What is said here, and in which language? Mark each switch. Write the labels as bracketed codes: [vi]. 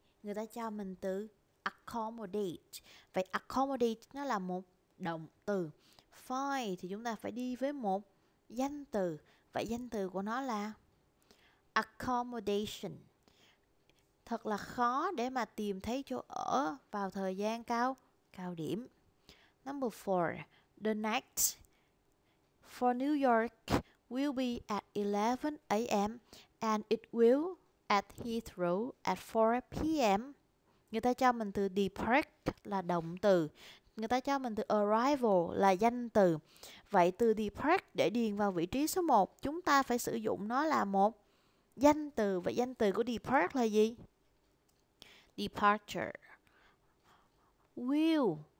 [vi] Người ta cho mình từ accommodate. Vậy accommodate nó là một động từ. Find thì chúng ta phải đi với một danh từ. Vậy danh từ của nó là accommodation. Thật là khó để mà tìm thấy chỗ ở vào thời gian cao điểm. [en] Number 4. The next for New York will be at 11 a.m. and it will at Heathrow at 4 p.m. [vi] Người ta cho mình từ depart là động từ. Người ta cho mình từ arrival là danh từ. Vậy từ depart để điền vào vị trí số 1, chúng ta phải sử dụng nó là một danh từ. Vậy danh từ của depart là gì? Departure. Will.